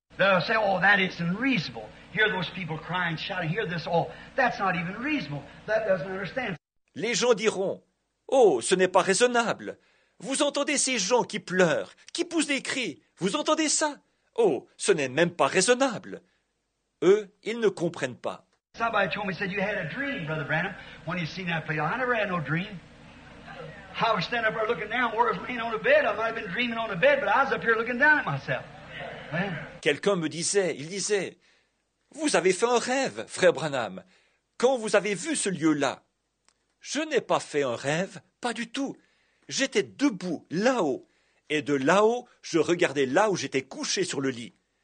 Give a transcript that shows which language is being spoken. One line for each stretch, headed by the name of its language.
English: They'll say, oh, that is unreasonable. Hear those people crying, shouting, hear this, oh, that's not even reasonable. That doesn't understand.
French: Les gens diront, oh, ce n'est pas raisonnable. Vous entendez ces gens qui pleurent, qui poussent des cris. Vous entendez ça? Oh, ce n'est même pas raisonnable. Eux, ils ne comprennent pas.
English: Somebody told me, said, you had a dream, Brother Branham, when you seen that play. I never had no dream. I was standing up there looking down. Where was laying on the bed? I might have been dreaming on the bed, but I was up here looking down at myself.
French: Quelqu'un me disait, il disait, « Vous avez fait un rêve, frère Branham. Quand vous avez vu ce lieu-là, je n'ai pas fait un rêve, pas du tout. J'étais debout, là-haut, et de là-haut, je regardais là où j'étais couché sur le lit.